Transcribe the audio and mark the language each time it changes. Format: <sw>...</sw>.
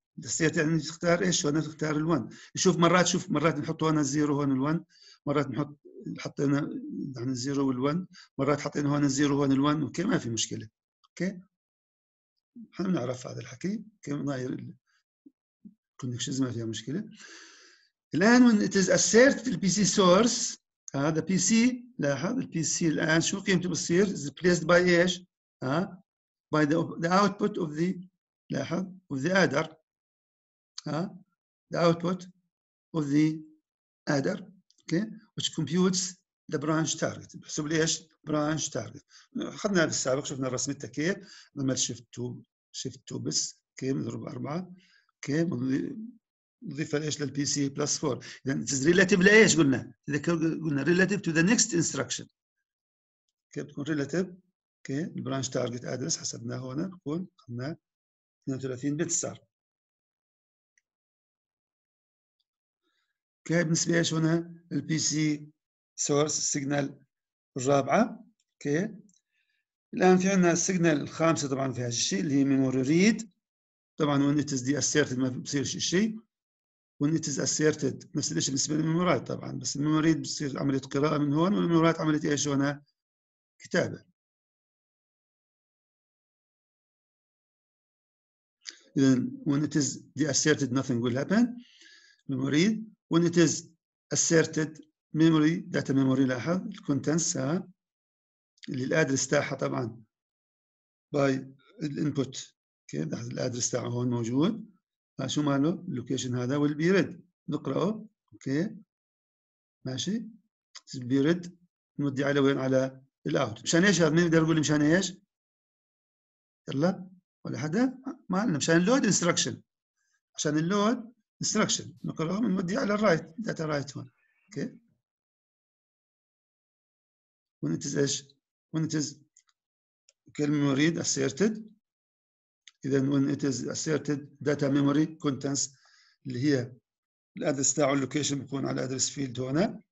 <ar>دستيات يعني تختار ايش، وانا تختار ال1. شوف مرات، شوف مرات نحط هنا الزيرو هون ال1، مرات نحط حطينا يعني الزيرو وال1، مرات حطينا هون الزيرو هون ال1، اوكي ما في مشكله. اوكي احنا بنعرف هذا الحكي كيف ناير الكونكشنز، ما فيها مشكله. الان</ar> <en>when it is asserted</en> <ar>في البي سي سورس، هذا بي سي، لاحظ البي سي الان شو قيمته بتصير؟</ar> <en>is placed by ايش؟ by the output of the، لاحظ of the adder، the output of the adder، okay which computes the branch target.</en> <ar>بحسب ليش branch target، اخذنا هذا السابق، شفنا الرسمة كيف نعمل shift 2، shift 2 بس كي مضرب 4 كي نضيف ايش للبي سي بلس 4، اذا</ar> <en>it is relative</en> <ar>لايش قلنا؟ اذا قلنا</ar> <en>relative to the next instruction،</en> <ar>كيف بتكون relative؟ اوكي البرانش تارجت ادرس حسبناه هون بكون 32 بت صار. اوكي بالنسبه ايش هنا البي سي سورس السيجنال الرابعه. اوكي الان في عندنا السيجنال الخامسه، طبعا فيها الشيء اللي هي ميموري ريد، طبعا وين ات از دي اسيرتد ما بصير شيء، وين ات از اسيرتد نفس الشيء بالنسبه للميموري ريد طبعا، بس الميموري ريد بصير عمليه قراءه من هون، والميموري ريد عمليه ايش هنا؟ كتابه.</ar> <en>Then when it is deasserted, nothing will happen. Memory. When it is asserted, memory, data memory,</en> <ar>لاحظ ال contents اللي ال address تاعها طبعا</ar> <en>by the input.</en> <ar>Okay, لاحظ ال address تاعه هون موجود. شو ماله؟</ar> <en>Location هذا will be read.</en> <ar>نقرأه.</ar> <en>Okay. ماشي. Will be read.</en> <ar>نودي على وين؟ على ال out. مشان ايش هذا؟ مين بيقدر يقول لي مشان ايش؟ يلا. ولا حدا ما لنا، مشان اللود انستركشن، عشان اللود انستركشن نقراه من مدي على الرايت داتا رايت هون. اوكي وين اتز ايش؟ وين اتز كلمة مريد اسيرتد، اذا وين اتز اسيرتد داتا ميموري كونتنس اللي هي الادرس تاعه اللوكيشن بكون على الادرس فيلد هنا.</ar>